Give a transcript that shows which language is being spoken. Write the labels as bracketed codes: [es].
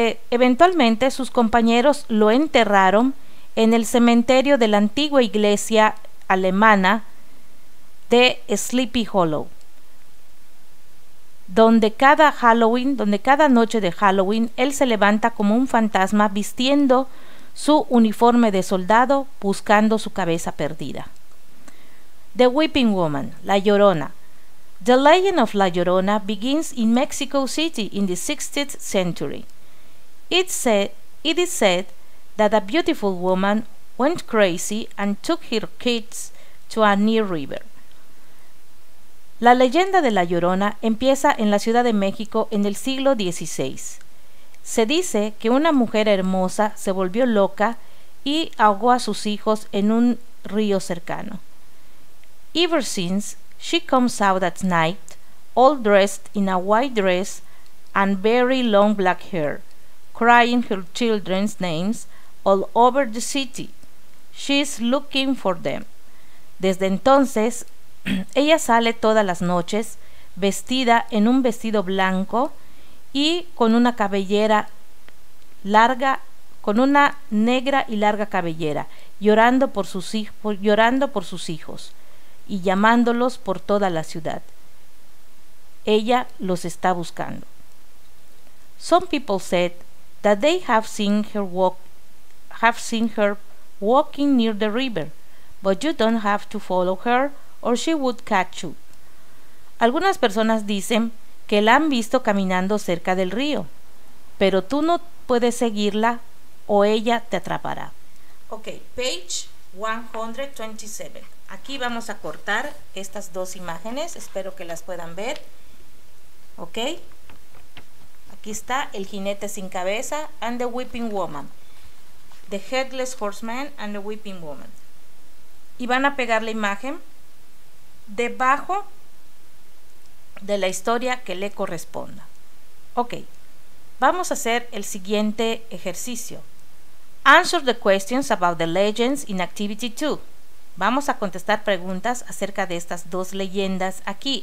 [es] Eventualmente sus compañeros lo enterraron en el cementerio de la antigua iglesia alemana de Sleepy Hollow, donde cada noche de Halloween él se levanta como un fantasma vistiendo su uniforme de soldado buscando su cabeza perdida. [en] The Weeping Woman, La Llorona. The legend of La Llorona begins in Mexico City in the 16th century. It is said that a beautiful woman went crazy and took her kids to a near river. [es] La leyenda de La Llorona empieza en la Ciudad de México en el siglo XVI. Se dice que una mujer hermosa se volvió loca y ahogó a sus hijos en un río cercano. [en] Ever since, she comes out at night, all dressed in a white dress and very long black hair, crying her children's names all over the city. She's looking for them. [es] Desde entonces, ella sale todas las noches vestida en un vestido blanco y con una cabellera larga, con una negra y larga cabellera, llorando por sus hijos y llamándolos por toda la ciudad. Ella los está buscando. [en] Some people said that they have seen her walking near the river, but you don't have to follow her or she would catch you. [es] Algunas personas dicen que la han visto caminando cerca del río, pero tú no puedes seguirla o ella te atrapará. [en] Okay, page 127. [es] Aquí vamos a cortar estas dos imágenes, espero que las puedan ver. Ok, aquí está el jinete sin cabeza [en] and the weeping woman, [es] the headless horseman and the weeping woman, y van a pegar la imagen debajo de la historia que le corresponda. Ok, vamos a hacer el siguiente ejercicio. [en] Answer the questions about the legends in activity 2. [es] Vamos a contestar preguntas acerca de estas dos leyendas aquí.